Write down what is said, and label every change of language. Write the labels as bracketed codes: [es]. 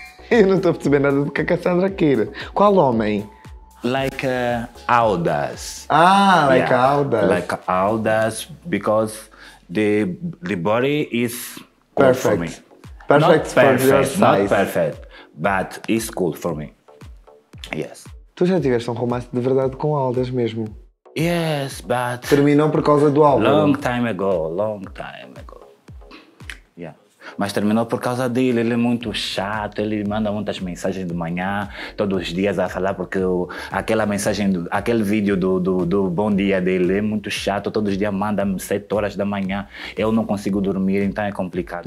[pt] Eu não estou a perceber nada do que a Cassandra quer. Qual homem? [en] Like Aldas. Ah, like yeah. Aldas. Like Aldas, because the body is cool perfect. For me. Perfect. Not perfect for your size. Not perfect, but it's cool for me. Yes. [pt] Tu já tiveste um romance de verdade com Aldas mesmo? [en] Yes, but... [pt] Terminou por causa do álbum. [en] Long time ago. [pt] Mas terminou por causa dele, ele é muito chato, ele manda muitas mensagens de manhã, todos os dias a falar, porque aquele vídeo do bom dia dele é muito chato, todos os dias manda 7 horas da manhã, eu não consigo dormir, então é complicado.